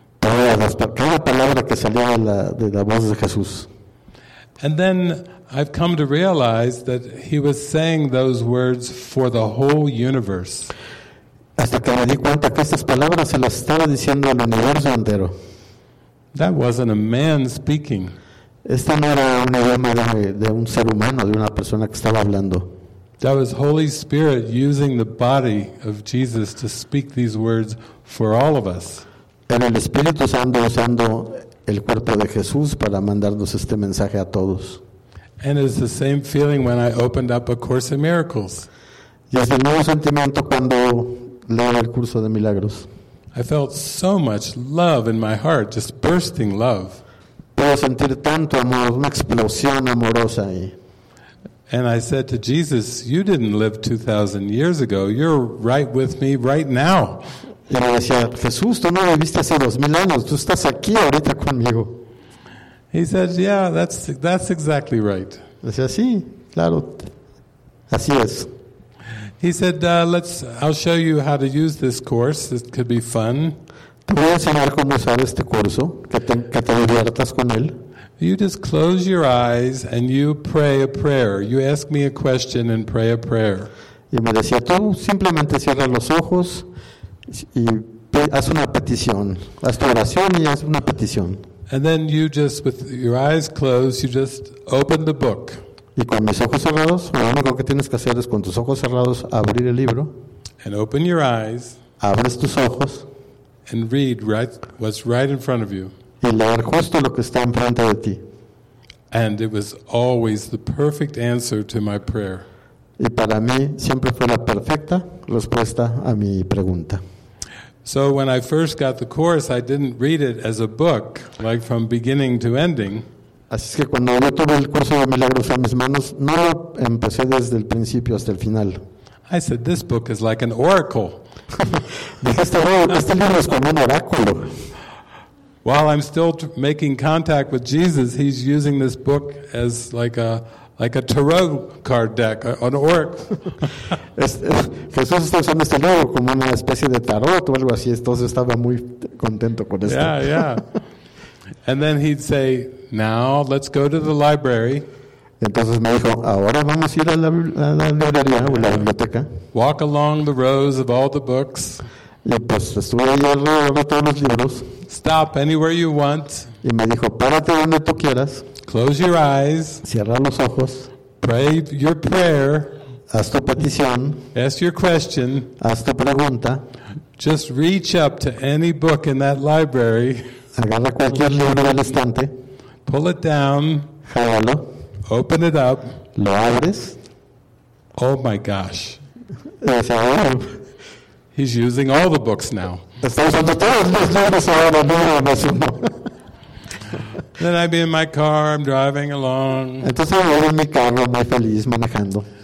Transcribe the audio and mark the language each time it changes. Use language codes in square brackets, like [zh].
[es] Cada palabra que salía de la voz de Jesús. [en] And then I've come to realize that he was saying those words for the whole universe. [es] Hasta que me di cuenta que estas palabras se las estaba diciendo al universo entero. [en] That wasn't a man speaking. [es] Esta no era un idioma de un ser humano, de una persona que estaba hablando. [en] That was Holy Spirit using the body of Jesus to speak these words for all of us. [es] Era el Espíritu Santo usando el cuerpo de Jesús para mandarnos este mensaje a todos. [en] And it's the same feeling when I opened up A Course in Miracles. [es] Y es el mismo sentimiento cuando leo el curso de milagros. [en] I felt so much love in my heart, just bursting love. [es] Puedo sentir tanto amor, una explosión amorosa ahí. [en] And I said to Jesus, "You didn't live 2,000 years ago. You're right with me right now." [es] Y me decía, Jesús, tú no me viste hace 2000 años, tú estás aquí ahorita conmigo. [en] He says, yeah, that's exactly right. [es] Decía, sí, claro, así es. [en] He said, I'll show you how to use this course. It could be fun. [es] Te voy a enseñar cómo usar este curso, que te diviertas con él. [en] You just close your eyes and you pray a prayer. You ask me a question and pray a prayer. [es] Y me decía, tú simplemente cierra los ojos y haz una petición. Haz tu oración y haz una petición. [en] And then you just, with your eyes closed, you just open the book. [es] Y con mis ojos cerrados, lo único que tienes que hacer es con tus ojos cerrados abrir el libro. [en] And open your eyes. [es] Abres tus ojos. [en] And read right what's right in front of you. [es] Y leer justo lo que está enfrente de ti. [en] And it was always the perfect answer to my prayer. [es] Y para mí siempre fue la perfecta respuesta a mi pregunta. [en] So when I first got the course, I didn't read it as a book, like from beginning to ending. [es] Así es que cuando yo tuve el curso de milagros en mis manos, no lo empecé desde el principio hasta el final. [en] I said, this book is like an oracle. [es] Dijiste, este libro es como un oráculo. [en] While I'm still making contact with Jesus, he's using this book as like a tarot card deck, an oracle. [es] Jesús está usando este libro como una especie de tarot o algo así, entonces estaba muy contento con esto. [en] Yeah, yeah. And then he'd say, now let's go to the library. [es] Entonces me dijo, ahora vamos a ir a la librería o la biblioteca. [en] Walk along the rows of all the books. [es] Y pues estuve ahí alrededor de todos los libros. [en] Stop anywhere you want. [es] Y me dijo, párate donde tú quieras. [en] Close your eyes. [es] Cierra los ojos. [en] Pray your prayer. [es] Haz tu petición. [en] Ask your question. [es] Haz tu pregunta. [en] Just reach up to any book in that library. [es] Agarra cualquier libro del estante. [en] Pull it down. [es] Jálalo. [en] Open it up. [es] Lo abres. [en] Oh my gosh. [es] Dice, oh. [en] He's using all the books now. [es] Está usando todos los libros ahora, no más uno. [en] Then I'd be in my car, I'm driving along. [es] Entonces voy en mi carro, muy feliz, manejando.